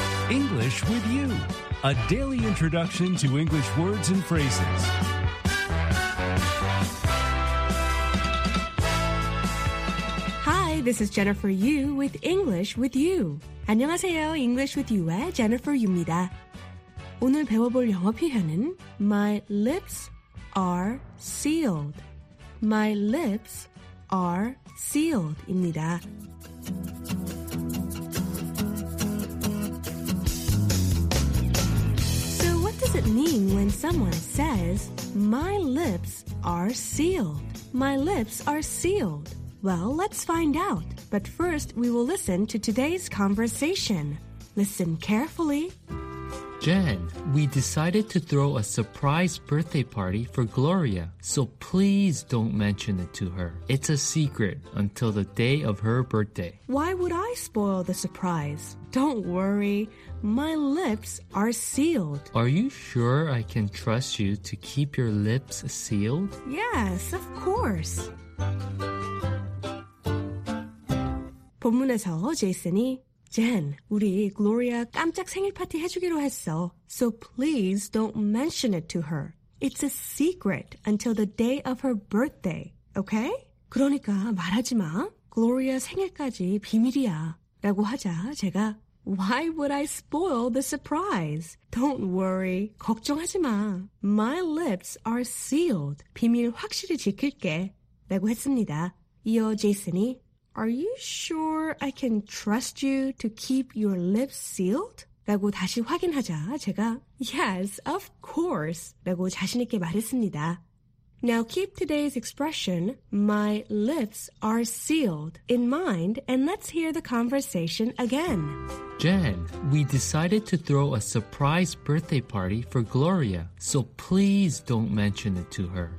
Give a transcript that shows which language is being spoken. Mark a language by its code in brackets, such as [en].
[en] English with you, a daily introduction to English words and phrases. This is Jennifer Yu with English with You. [ko] 안녕하세요. English with You의 Jennifer Yu입니다. 오늘 배워볼 영어 표현은 [en] My lips are sealed. My lips are sealed [ko] 입니다. [en] So what does it mean when someone says My lips are sealed? My lips are sealed. Well, let's find out. But first, we will listen to today's conversation. Listen carefully. Jen, we decided to throw a surprise birthday party for Gloria, so please don't mention it to her. It's a secret until the day of her birthday. Why would I spoil the surprise? Don't worry, my lips are sealed. Are you sure I can trust you to keep your lips sealed? Yes, of course. [ko] 본문에서 제이슨이 Jen, 우리 Gloria 깜짝 생일 파티 해주기로 했어. [en] So please don't mention it to her. It's a secret until the day of her birthday, okay? [ko] 그러니까 말하지 마. Gloria 생일까지 비밀이야. 라고 하자 제가 [en] Why would I spoil the surprise? Don't worry. [ko] 걱정하지 마. [en] My lips are sealed. [ko] 비밀 확실히 지킬게. 라고 했습니다. 이어 제이슨이 [en] Are you sure I can trust you to keep your lips sealed? [ko] 라고 다시 확인하자 제가 [en] Yes, of course! [ko] 라고 자신있게 말했습니다. [en] Now keep today's expression, my lips are sealed, in mind, and let's hear the conversation again. Jen, we decided to throw a surprise birthday party for Gloria, so please don't mention it to her.